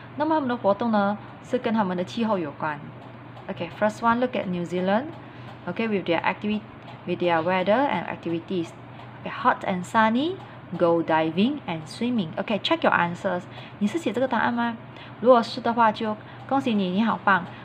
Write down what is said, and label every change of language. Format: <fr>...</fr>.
<zh>那么他们的活动呢, 是跟他们的气候有关。</zh> <en>Okay, first one, look at New Zealand. Okay, with their activity, with their weather and activities. Okay, hot and sunny, go diving and swimming. Okay, check your answers.</en> <zh>你是写这个答案吗? 如果是的话, 就恭喜你, 你好棒。</zh>